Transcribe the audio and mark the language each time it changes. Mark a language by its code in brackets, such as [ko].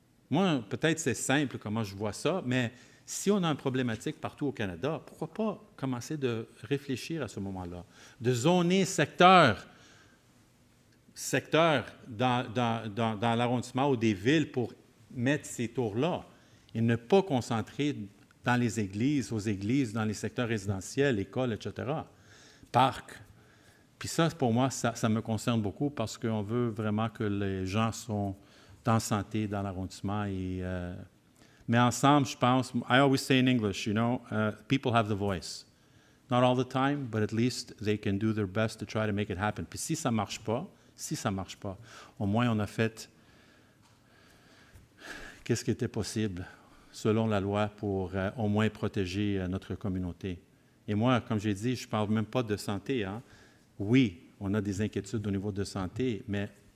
[fr] Moi, peut-être c'est simple comment je vois ça, mais si on a une problématique partout au Canada, pourquoi pas commencer de réfléchir à ce moment-là, de zoner secteur dans l'arrondissement ou des villes pour mettre ces tours-là et ne pas concentrer dans les églises, aux églises, dans les secteurs résidentiels, écoles, etc., parcs. Puis ça, pour moi, ça me concerne beaucoup parce qu'on veut vraiment que les gens soient... en santé, dans l'arrondissement. Mais ensemble, je pense, [en] I always say in English, you know, people have the voice. Not all the time, but at least they can do their best to try to make it happen. [fr] Puis si ça ne marche pas, au moins on a fait qu'est-ce qui était possible selon la loi pour au moins protéger notre communauté. Et moi, comme j'ai dit, je ne parle même pas de santé. Hein. Oui, on a des inquiétudes au niveau de santé, mais...